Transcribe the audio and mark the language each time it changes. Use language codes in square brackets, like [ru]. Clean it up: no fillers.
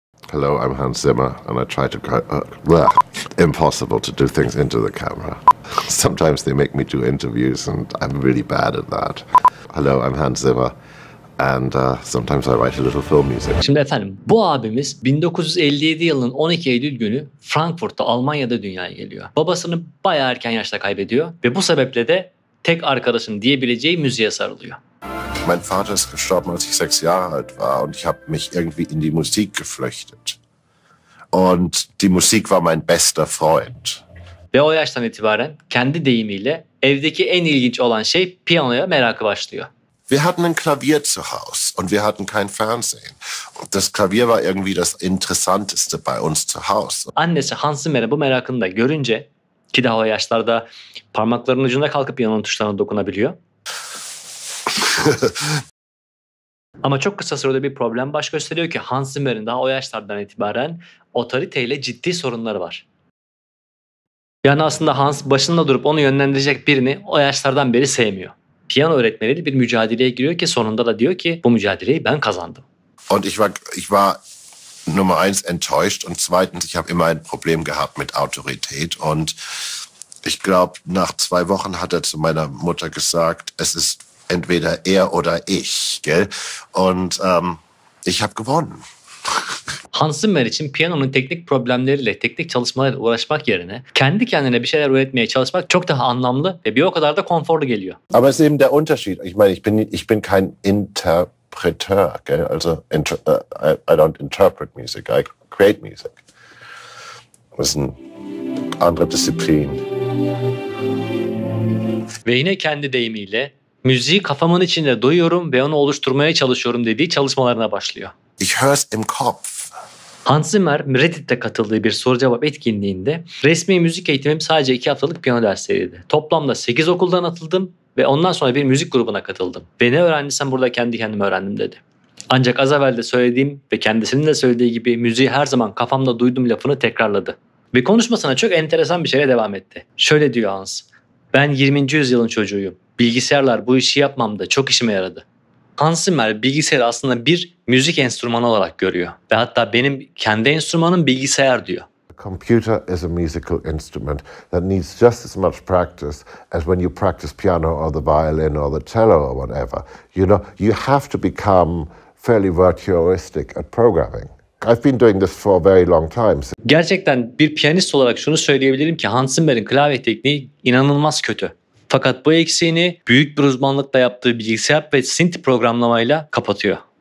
[en] Hello, I'm Hans Zimmer and I try to impossible to do things into the camera. Sometimes they make me do interviews and I'm really bad at that. Hello, I'm Hans Zimmer. And sometimes I write a little film music. [tr] Şimdi efendim, bu abimiz 1957 yılının 12 Eylül günü Frankfurt'ta, Almanya'da dünyaya geliyor. Babasını bayağı erken yaşta kaybediyor ve bu sebeple de tek arkadaşın diyebileceği müziğe sarılıyor. [de] Mein Vater ist gestorben, als ich 6 Jahre alt war und ich habe mich irgendwie in die Musik geflüchtet. Und die Musik war mein bester Freund. [tr] Ve o yaştan itibaren kendi deyimiyle evdeki en ilginç olan şey piyanoya merakı başlıyor. [de] Wir hatten ein Klavier zu Hause und wir hatten kein Fernsehen. Das Klavier war irgendwie das Interessanteste bei uns zu Hause. [tr] Annesi Hans Zimmer bu merakını da görünce, ki daha o yaşlarda parmaklarının ucunda kalkıp piyanonun tuşlarına dokunabiliyor. Ama çok kısa sürede bir problem baş gösteriyor ki Hans Zimmer'in daha o yaşlardan itibaren otoriteyle ciddi sorunları var. Yani aslında Hans başında durup onu yönlendirecek birini o yaşlardan beri sevmiyor. Piyano öğretmeniyle bir mücadeleye giriyor ki sonunda da diyor ki bu mücadeleyi ben kazandım. [de] Und ich war Nummer 1 enttäuscht und zweitens ich habe immer ein Problem gehabt mit Autorität und ich glaube nach 2 Wochen hat zu meiner Mutter gesagt, es ist entweder oder ich, gell? Und ich habe gewonnen. [tr] Hans Zimmer için piyanonun teknik problemleriyle, teknik çalışmalarla uğraşmak yerine kendi kendine bir şeyler öğretmeye çalışmak çok daha anlamlı ve bir o kadar da konforlu geliyor. [de] Ama es ist eben der Unterschied. Ich meine, ich bin kein Interpreteur, gell? [en] Also I don't interpret music, I create music. [de] Das ist eine andere Disziplin. [tr] Ve yine kendi deyimiyle müziği kafamın içinde duyuyorum ve onu oluşturmaya çalışıyorum dediği çalışmalarına başlıyor. [de] Ich hör's im Kopf. [tr] Hans Zimmer, Reddit'te katıldığı bir soru-cevap etkinliğinde resmi müzik eğitimim sadece 2 haftalık piyano dersleriydi. Toplamda 8 okuldan atıldım ve ondan sonra bir müzik grubuna katıldım. Ve ne öğrendiysem burada kendi kendime öğrendim dedi. Ancak az evvel de söylediğim ve kendisinin de söylediği gibi müziği her zaman kafamda duydum lafını tekrarladı. Ve konuşmasına çok enteresan bir şeye devam etti. Şöyle diyor Hans, ben 20. yüzyılın çocuğuyum. Bilgisayarlar bu işi yapmamda çok işime yaradı. Hans Zimmer bilgisayarı aslında bir müzik enstrümanı olarak görüyor. Ve hatta benim kendi enstrümanım bilgisayar diyor. [en] A computer is a musical instrument that needs just as much practice as when you practice piano or the violin or the cello or whatever. You know, you have to become fairly virtuosic at programming. I've been doing this for a very long time. [tr] Gerçekten bir piyanist olarak şunu söyleyebilirim ki Hans Zimmer'in klavye tekniği inanılmaz kötü. Fakat bu eksiğini büyük bir uzmanlıkla yaptığı bilgisayar ve synth programlamayla kapatıyor.